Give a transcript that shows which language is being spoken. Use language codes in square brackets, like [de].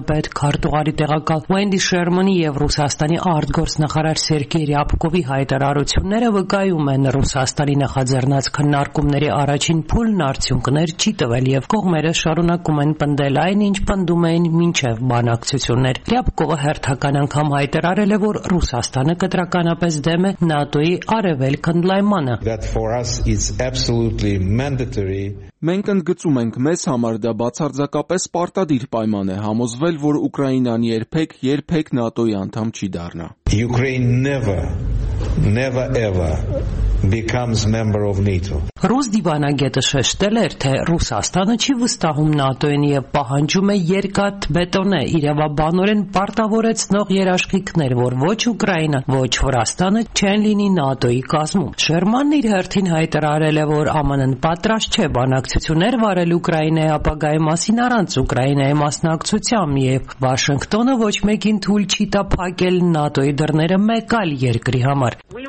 [hy] պետ քարտուղարի տեղակալ Ուենդի Շերմանի և Ռուսաստանի արտգործնախարար Սերգեյ Ռյաբկովի հայտարարությունները վկայում են Ռուսաստանի նախաձեռնած քննարկումների առաջին փուլն արդյունքներ չի տվել և կողմերը շարունակում են պնդել այն, ինչ պնդում էին մինչև բանակցություններ։ Ռյաբկովը հերթական անգամ հայտարարել է, որ Ռուսաստանը կտրականապես դեմ է ՆԱՏՕ-ի արևելք ընդլայման։ [en] That for us is absolutely mandatory. [hy] Մենք ընդգծում ենք, մեզ համար դա բացարձակապես պարտադիր պայման է համոզվել, որ Ուկրաինան երբեք ՆԱՏՕ-ի անդամ չի դառնա։ [en] Ukraine never ever becomes member of NATO. [hy] Ռուս դիվանագետը շեշտել էր, թե Ռուսաստանը չի վստահում ՆԱՏՕ-ին և պահանջում է երկաթ բետոնե իրավաբանորեն պարտավորեցնող երաշխիքներ, որ ոչ Ուկրաինան, ոչ Վրաստանը չեն լինի ՆԱՏՕ-ի կազմում։ Շերմանն իր հերթին հայտարարել է, որ ԱՄՆ-ն պատրաստ չէ բանակցություններ վարել Ուկրաինայի ապագայի մասին առանց Ուկրաինայի մասնակցությամբ, և Վաշինգտոնը ոչ մեկին թույլ չի տա փակել ՆԱՏՕ-ի դռները մեկ այլ երկրի համար։